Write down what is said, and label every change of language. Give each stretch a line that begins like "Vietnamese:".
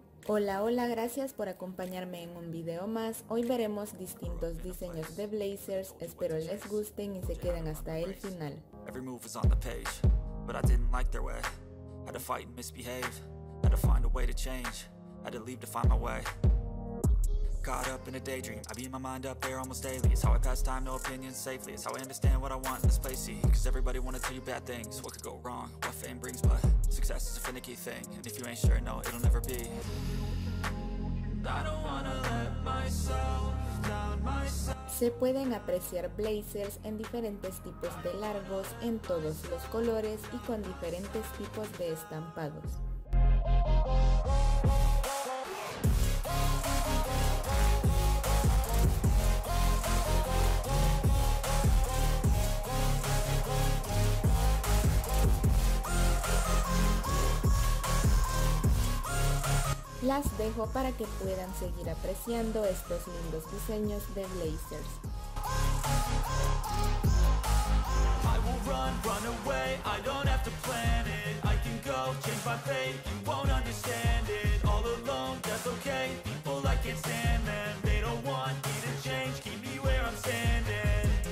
Spanish: Hola, hola, gracias por acompañarme en un video más. Hoy veremos distintos diseños de blazers. Espero les gusten y se queden hasta el final.
English: Every move is on the page, but I didn't like their way. Had to fight and misbehave. Had to find a way to change. Had to leave to find my way. Caught up in a daydream, I beat my mind up there almost daily. It's how I pass time, no opinions safely. It's how I understand what I want in this place. Cause everybody wanna tell you bad things. What could go wrong, what fame brings. But success is a finicky thing. And if you ain't sure, no, it'll never be. I don't wanna let myself.
Spanish: Se pueden apreciar blazers en diferentes tipos de largos, en todos los colores y con diferentes tipos de estampados. Las dejo para que puedan seguir apreciando estos lindos diseños de blazers.
English: I will run away, I don't have to plan it. I can go change my fate, you won't understand it. All alone, that's okay, people like it stand them. They don't want me to change, keep me where I'm standing.